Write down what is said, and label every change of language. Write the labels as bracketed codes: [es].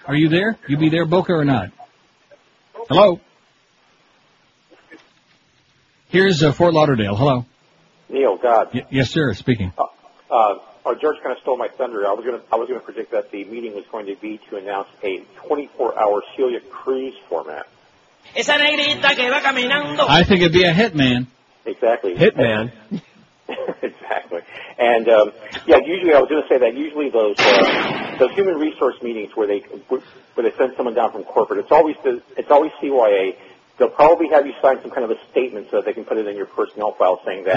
[en] Are you there? You be there, Boca, or not? Hello. Here's Fort Lauderdale. Hello. Neil, God. Yes, sir. Speaking. George kind of stole my thunder. I was gonna predict that the meeting was going to be to announce a 24-hour Celia Cruz format. [es] Esa negrita que va caminando. [en] I think it'd be a hit, man. Exactly. Hit, man. Exactly. And, usually I was going to say that usually those human resource meetings where they send someone down from corporate, it's always CYA. They'll probably have you sign some kind of a statement so that they can put it in your personnel file saying that.